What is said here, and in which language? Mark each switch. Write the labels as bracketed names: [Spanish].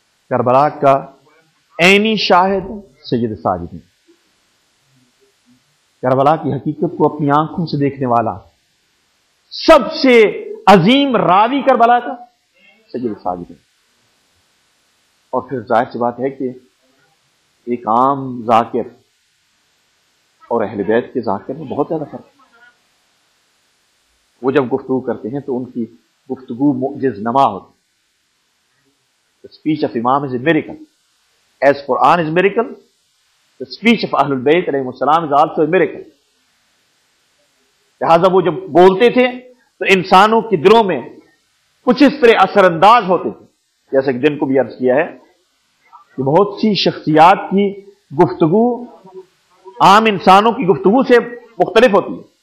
[Urdu] کربلا کا عینی شاہد سید ساجد، کربلا کی حقیقت کو اپنی آنکھوں سے دیکھنے والا، سب سے عظیم راوی کربلا کا سید ساجد. اور پھر ظاہر سی بات ہے کہ ایک عام ذاکر اور اہل بیت کے ذاکر میں بہت زیادہ فرق. وہ جب گفتگو کرتے ہیں تو ان کی گفتگو معجز نما ہوتی ہے. [English] The speech of امام is a miracle. As Quran is a miracle, the speech of اہل البیت علیہ السلام is also a miracle. [Urdu] لہذا وہ جب بولتے تھے تو انسانوں کے دلوں میں کچھ اس طرح اثر انداز ہوتے تھے. جیسے کہ دن کو بھی عرض کیا ہے کہ بہت سی شخصیات کی گفتگو عام انسانوں کی گفتگو سے مختلف ہوتی ہے.